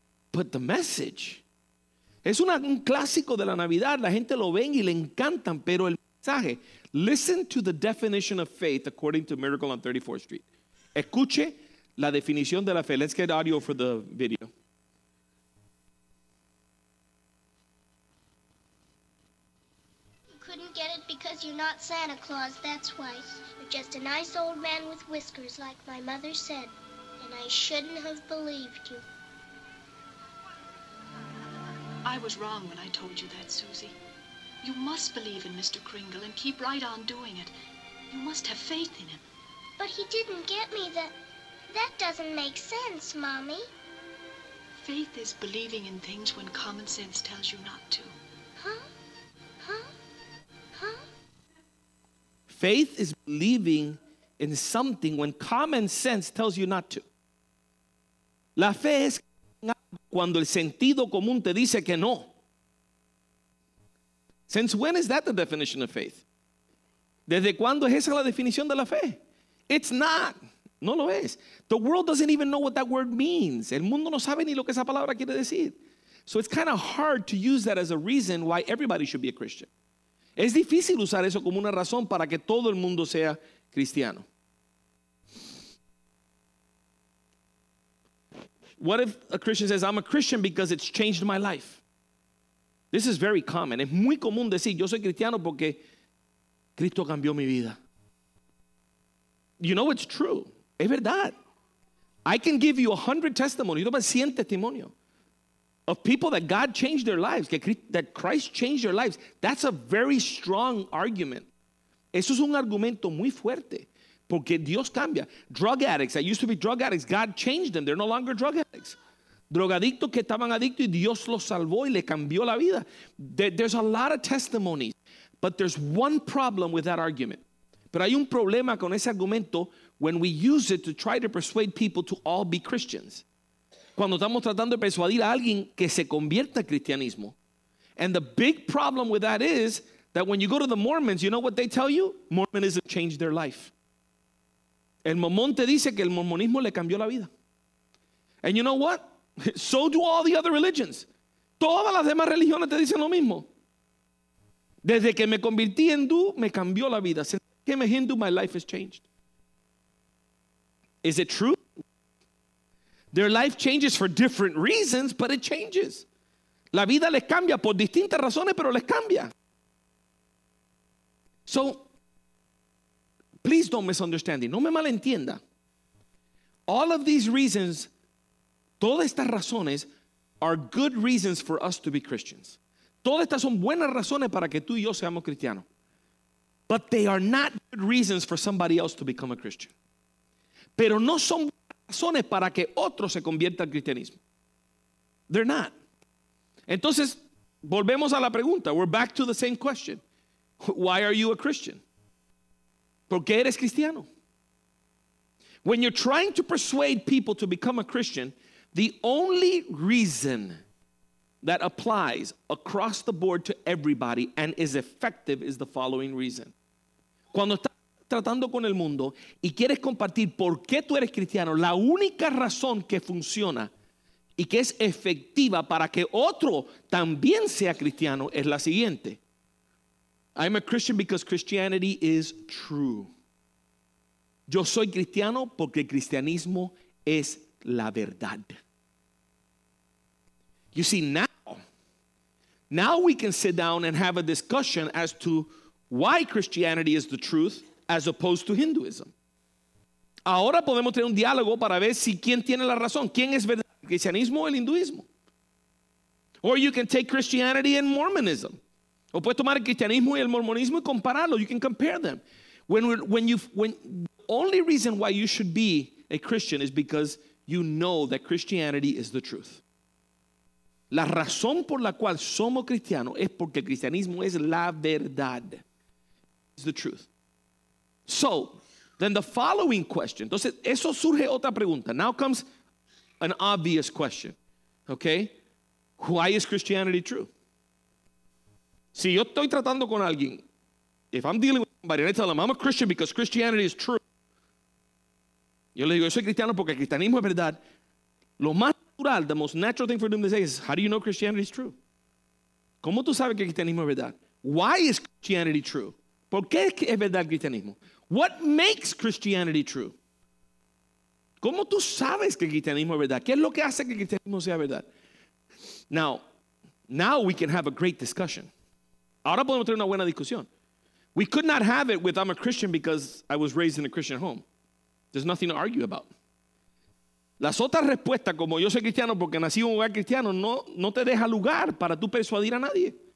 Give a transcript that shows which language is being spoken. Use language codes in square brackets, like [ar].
[en] But the message [es] es un clásico de la Navidad. La gente lo ven y le encantan, pero el mensaje. [en] Listen to the definition of faith according to Miracle on 34th Street. [es] Escuche la definición de la fe. [en] Let's get audio for the video. Get it because you're not Santa Claus, that's why. You're just a nice old man with whiskers, like my mother said. And I shouldn't have believed you. I was wrong when I told you that, Susie. You must believe in Mr. Kringle and keep right on doing it. You must have faith in him. But he didn't get me. That doesn't make sense, Mommy. Faith is believing in things when common sense tells you not to. Faith is believing in something when common sense tells you not to. [es] La fe es cuando el sentido común te dice que no. [en] Since when is that the definition of faith? [es] ¿Desde cuándo es esa la definición de la fe? [en] It's not. [es] No lo es. [en] The world doesn't even know what that word means. [es] El mundo no sabe ni lo que esa palabra quiere decir. [en] So it's kind of hard to use that as a reason why everybody should be a Christian. [es] Es difícil usar eso como una razón para que todo el mundo sea cristiano. [en] What if a Christian says, I'm a Christian because it's changed my life? This is very common. [es] Es muy común decir, yo soy cristiano porque Cristo cambió mi vida. [en] You know it's true. [es] Es verdad. [en] I can give you 100 testimonies. [es] Yo tengo 100 testimonios. [en] Of people that God changed their lives, that Christ changed their lives, that's a very strong argument. [es] Eso es un argumento muy fuerte, porque Dios cambia. [en] Drug addicts, that used to be drug addicts, God changed them. They're no longer drug addicts. [es] Drogadictos que estaban adictos y Dios los salvó y le cambió la vida. [en] There's a lot of testimonies, but there's one problem with that argument. [es] Pero hay un problema con ese argumento [en] when we use it to try to persuade people to all be Christians. [es] Cuando estamos tratando de persuadir a alguien que se convierta al cristianismo. [en] And the big problem with that is that when you go to the Mormons, you know what they tell you? Mormonism changed their life. [es] El mormón te dice que el mormonismo le cambió la vida. [en] And you know what? So do all the other religions. [es] Todas las demás religiones te dicen lo mismo. Desde que me convertí en hindú, me cambió la vida. [en] Since I became a Hindu, my life has changed. Is it true? Their life changes for different reasons, but it changes. [es] La vida les cambia por distintas razones, pero les cambia. [en] So, please don't misunderstand me. [es] No me malentienda. [en] All of these reasons, [es] todas estas razones, [en] are good reasons for us to be Christians. [es] Todas estas son buenas razones para que tú y yo seamos cristianos. [en] But they are not good reasons for somebody else to become a Christian. [es] Pero no son razones para que otro se convierta al cristianismo. [en] They're not. [es] Entonces, volvemos a la pregunta. [en] We're back to the same question. Why are you a Christian? [es] ¿Por qué eres cristiano? [en] When you're trying to persuade people to become a Christian, the only reason that applies across the board to everybody and is effective is the following reason. [es] Cuando estás tratando con el mundo y quieres compartir por qué tú eres cristiano, la única razón que funciona y que es efectiva para que otro también sea cristiano es la siguiente. [en] I'm a Christian because Christianity is true. [es] Yo soy cristiano porque el cristianismo es la verdad. [en] You see, now we can sit down and have a discussion as to why Christianity is the truth, as opposed to Hinduism. [es] Ahora podemos tener un diálogo para ver si quién tiene la razón. ¿Quién es verdad? ¿El cristianismo o el hinduismo? [en] Or you can take Christianity and Mormonism. [es] O puedes tomar el cristianismo y el mormonismo y compararlo. [en] You can compare them. The only reason why you should be a Christian is because you know that Christianity is the truth. [es] La razón por la cual somos cristianos es porque el cristianismo es la verdad. [en] It's the truth. So, then the following question. [es] Entonces, eso surge otra pregunta. [en] Now comes an obvious question. Okay? Why is Christianity true? [es] Si yo estoy tratando con alguien, [en] if I'm dealing with somebody and I tell them I'm a Christian because Christianity is true, [es] yo le digo, yo soy cristiano porque el cristianismo es verdad. Lo más natural, [en] the most natural thing for them to say is, how do you know Christianity is true? [es] ¿Cómo tú sabes que el cristianismo es verdad? [en] Why is Christianity true? [es] ¿Por qué es verdad el cristianismo? [en] What makes Christianity true? [es] ¿Cómo tú sabes que el cristianismo es verdad? ¿Qué es lo que hace que el cristianismo sea verdad? [en] Now we can have a great discussion. [es] Ahora podemos tener una buena discusión. [en] We could not have it with I'm a Christian because I was raised in a Christian home. There's nothing to argue about. [es] Las otras respuestas, como yo soy cristiano porque nací en un hogar cristiano, no te deja lugar para tú persuadir a nadie.